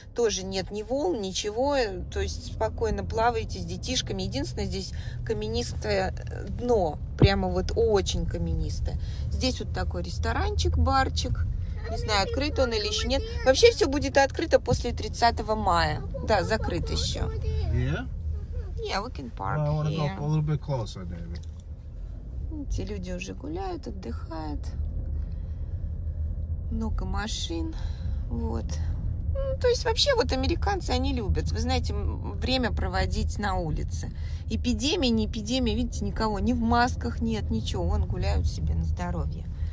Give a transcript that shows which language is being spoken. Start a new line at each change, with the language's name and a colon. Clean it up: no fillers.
Russian: Тоже нет ни волн, ничего. То есть спокойно плаваете с детишками. Единственное, здесь каменистое дно. Прямо вот очень каменистое. Здесь вот такой ресторанчик, барчик. Не знаю, открыт он или еще нет. Вообще все будет открыто после 30 мая. Да, закрыт еще.
English: Yeah, we can park here. I want to go a little bit closer, David.
Russian: Эти люди уже гуляют, отдыхают. Много машин, вот. Ну, то есть вообще вот американцы, они любят, вы знаете, время проводить на улице. Эпидемия, не эпидемия, видите, никого, ни в масках нет, ничего, вон гуляют себе на здоровье.